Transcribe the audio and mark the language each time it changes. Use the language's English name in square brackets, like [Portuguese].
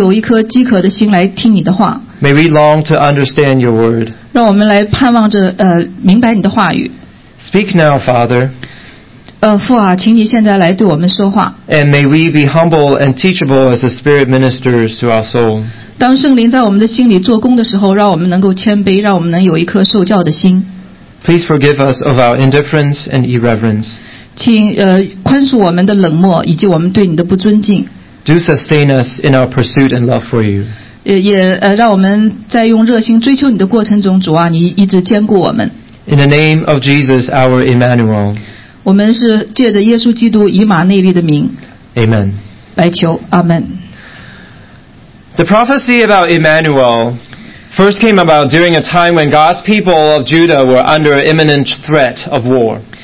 [Chinese] 让我们有一颗饥渴的心来听你的话。 [English] May we long to understand your word. [Chinese] 让我们来盼望着, 明白你的话语。 [English] Speak now, Father. [Chinese] 父啊，请你现在来对我们说话。 [English] And may we be humble and teachable as the Spirit ministers to our soul. [Chinese] 当圣灵在我们的心里做工的时候，让我们能够谦卑，让我们能有一颗受教的心。 [English] Please forgive us of our indifference and irreverence. [Chinese] 请宽恕我们的冷漠，以及我们对你的不尊敬。 [English] Do sustain us in our pursuit and love for you. [Chinese] 也让我们在用热心追求你的过程中，主啊，你一直坚固我们。 [English] In the name of Jesus, our Emmanuel. [Chinese] 我们是借着耶稣基督以马内利的名，Amen. 来求，Amen. [English] The prophecy about Emmanuel first came about during a time when God's people of Judah were under imminent threat of war.